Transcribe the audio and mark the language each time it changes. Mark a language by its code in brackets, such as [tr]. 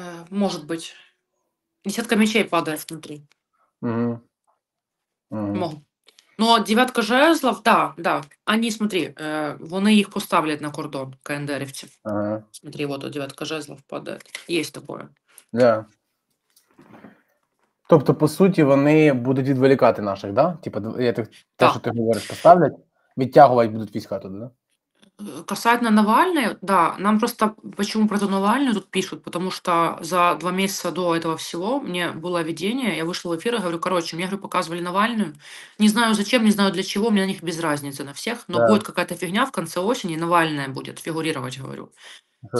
[uk] Може бути. Десятка мечей падає внутрі. Ну, дев'ятка жезлов, да, да. [ru] Они, смотри, [uk] вони їх поставлять на кордон КНДРівців. Ага. [ru] Смотри, вот дев'ятка жезлов падает. Есть такое. Да. [uk] Тобто, по суті, вони будуть відволікати наших, да? Типа, я так, да. Те, що ти говориш, поставлять, відтягувати будуть війська туди, да? [ru] Касательно Навального, да, нам просто почему про Навального тут пишут, потому что за 2 месяца до этого всего мне было видение, я вышла в эфир и говорю, короче, мне говорю, показывали Навальную, не знаю зачем, не знаю для чего, мне на них без разницы на всех, но да. Будет какая-то фигня в конце осени, Навальная будет фигурировать, говорю, да.